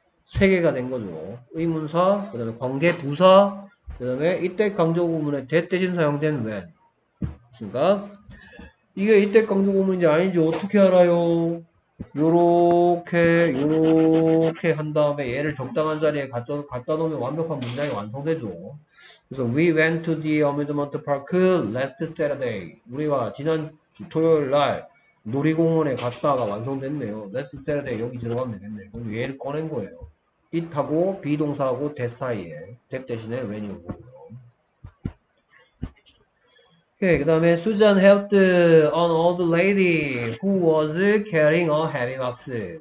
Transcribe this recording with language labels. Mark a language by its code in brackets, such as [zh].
[ko] 세 개가 된 거죠. 의문사, 그 다음에 관계 부사, 그 다음에 it that 강조 구문에 that 대신 사용된 when. 그러니까 이게 이때 강조 구문인지 아닌지 어떻게 알아요? 요렇게 요렇게 한 다음에 얘를 적당한 자리에 갖다 놓으면 완벽한 문장이 완성되죠. [en] 그래서 We went to the amusement park last Saturday. [ko] 우리가 지난 주 토요일 날 놀이공원에 갔다가 완성됐네요. [en] Last Saturday [ko] 여기 들어가면 되겠네요. 얘를 꺼낸 거예요. It하고 be 동사하고 that 사이에 that 대신에 when이 오고. 네, 그 다음에 [en] Susan helped an old lady who was carrying a heavy box.